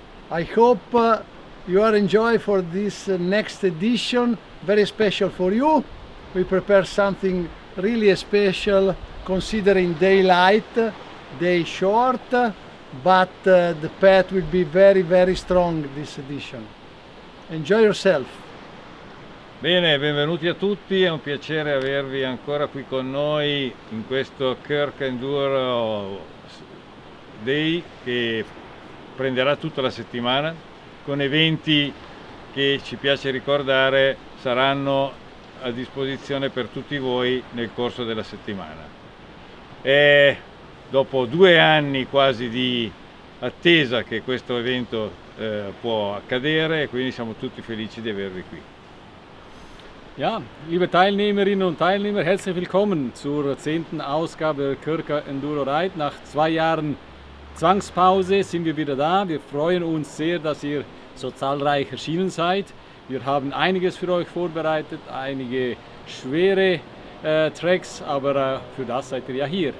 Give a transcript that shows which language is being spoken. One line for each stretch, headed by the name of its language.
English: I hope you are enjoying for this next edition. Very special for you. We prepare something really special considering daylight, day short, but the path will be very, very strong this edition. Enjoy yourself.
Italian: Bene, benvenuti a tutti, è un piacere avervi ancora qui con noi in questo KRKA Enduro Day che prenderà tutta la settimana con eventi che ci piace ricordare saranno a disposizione per tutti voi nel corso della settimana. È dopo 2 anni quasi di attesa che questo evento può accadere e quindi siamo tutti felici di avervi qui.
German: Ja, liebe Teilnehmerinnen und Teilnehmer, herzlich willkommen zur 10. Ausgabe KRKA Enduro Ride. Nach 2 Jahren Zwangspause sind wir wieder da. Wir freuen uns sehr, dass ihr so zahlreich erschienen seid. Wir haben einiges für euch vorbereitet, einige schwere Tracks, aber für das seid ihr ja hier.